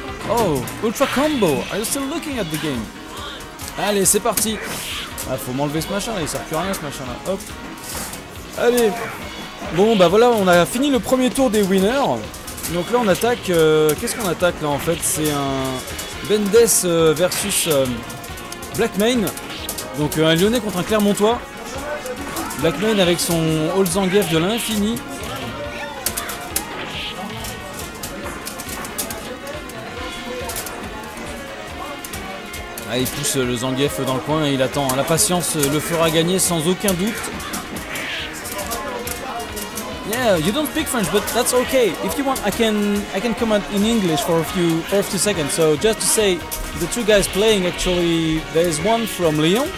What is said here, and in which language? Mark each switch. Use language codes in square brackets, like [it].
[en] Oh, Ultra Combo, are you still looking at the game? [fr] Allez, c'est parti. Ah, faut m'enlever ce machin là, il sert plus à rien ce machin là. Hop. Allez. Bon, bah voilà, on a fini le premier tour des winners. Donc là, on attaque... qu'est-ce qu'on attaque là, en fait? C'est un Bendes versus Blackmail. Donc un Lyonnais contre un Clermontois. Blackmail avec son Old Zangief de l'infini. Ah, il pousse le Zangief dans le coin et il attend. La patience le fera gagner sans aucun doute. [en] Yeah, you don't speak French, but that's okay. If you want, I can comment in English for a few seconds. So just to say, the two guys playing actually, there is one from Lyon.